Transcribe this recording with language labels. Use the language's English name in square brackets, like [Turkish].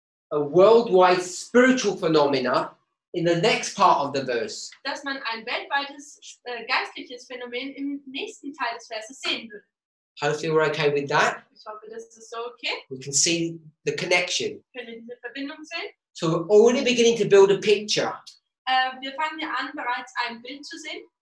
[English] a worldwide spiritual phenomena in the next part of the verse. [German] Dass man ein weltweites geistliches Phänomen im nächsten Teil des Verses sehen würde. [English] Hopefully we're okay with that. [German] Ich hoffe, das ist so okay. [English] We can see the connection. [German] Können wir diese Verbindung sehen? [English] So we're already beginning to build a picture. [German] Wir fangen ja an, bereits ein Bild zu sehen.